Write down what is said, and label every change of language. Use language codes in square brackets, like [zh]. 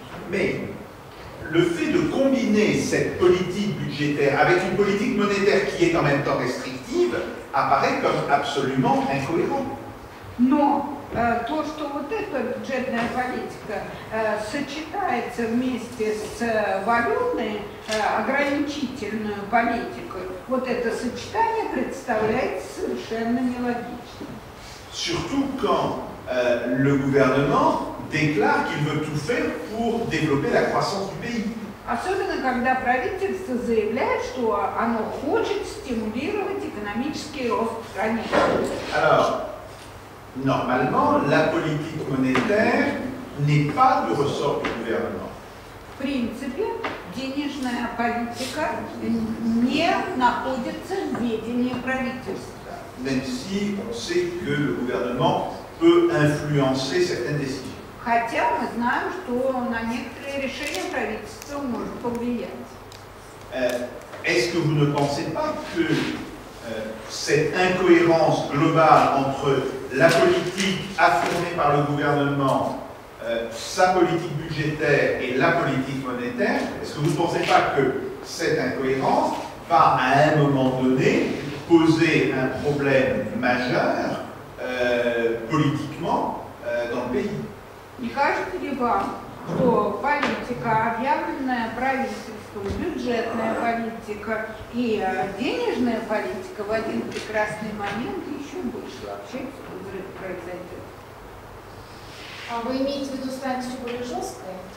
[fr] Mais le fait de combiner cette politique budgétaire avec une politique monétaire qui est en même temps restrictive apparaît comme absolument incohérent. [ru] Но то, что вот эта бюджетная политика сочетается вместе с валютной ограничительной политикой, вот это сочетание представляется совершенно нелогичным. [fr] Surtout quand le gouvernement déclare qu'il veut tout faire pour développer la croissance du pays. [ru] Особенно когда правительство заявляет, что оно хочет стимулировать экономический рост страны. [fr] Alors, normalement, la politique monétaire n'est pas du ressort du gouvernement. [ru] В принципе, денежная политика не находится в ведении правительства. [fr] Même si on sait que le gouvernement peut influencer certaines décisions. [ru] Хотя мы знаем, что на некоторые решения правительства может повлиять. [fr] Est-ce que vous ne pensez pas que cette incohérence globale entre la politique affirmée par le gouvernement, sa politique budgétaire et la politique monétaire, est-ce que vous ne pensez pas que cette incohérence va à un moment donné poser un problème majeur politiquement dans le pays? [ru] Не кажется ли вам, что политика, объявленная правительством, бюджетная политика и денежная политика в один прекрасный момент еще больше вообще взрыв произойдет? А вы имеете в виду станет еще более жесткой?